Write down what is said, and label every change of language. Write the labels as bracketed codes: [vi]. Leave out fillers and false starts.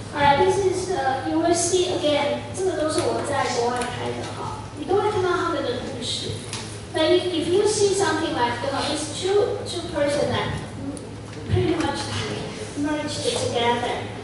[en] Alright, this is you will see again. [zh] 这个都是我在国外拍的哈，你都会看到他们的故事。 [en] But if you see something like that, it's two persons that pretty much merged together.